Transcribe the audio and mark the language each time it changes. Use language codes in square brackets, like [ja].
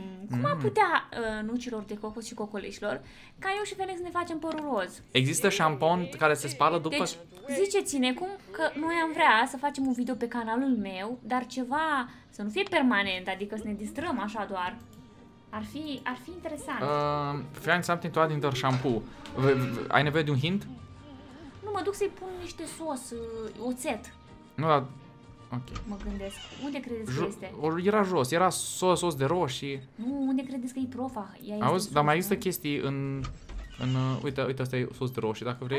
[ro] Cum ar putea nucilor de cocos și cocoleșilor ca eu și Felix ne facem părul roz? Există șampon care se spală după... Deci, ziceți-ne cum că noi am vrea să facem un video pe canalul meu, dar ceva să nu fie permanent, adică să ne distrăm așa doar. Ar fi interesant. [en] Find something to add in the shampoo. [ro] Ai nevoie de un hint? Nu, mă duc să-i pun niște sos, oțet. Nu, dar... Ok. Mă gândesc, unde credeți că este? Era jos, era sos de roșii. Nu, unde credeți că e profa? Auzi, dar mai există chestii în uite, ăsta e sos de roșii, dacă vrei.